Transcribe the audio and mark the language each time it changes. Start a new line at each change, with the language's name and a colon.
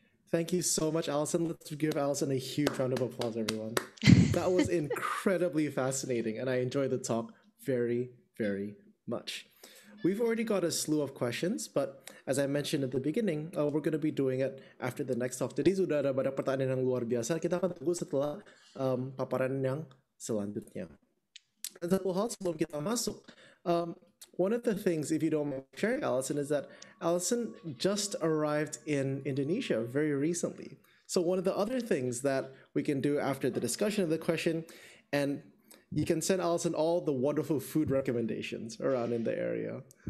English: Thank you so much, Allison. Let's give Allison a huge round of applause, everyone. That was incredibly fascinating, and I enjoyed the talk very, very much. We've already got a slew of questions, but as I mentioned at the beginning, we're going to be doing it after the next talk.
Indonesian: Jadi sudah ada banyak pertanyaan yang luar biasa. Kita akan tunggu setelah paparan yang selanjutnya.
English: And
Indonesian: satu hal sebelum kita masuk,
English: one of the things, if you don't mind sharing, Allison, is that Allison just arrived in Indonesia very recently. So one of the other things that we can do after the discussion of the question, and you can send Allison all the wonderful food recommendations around in the area.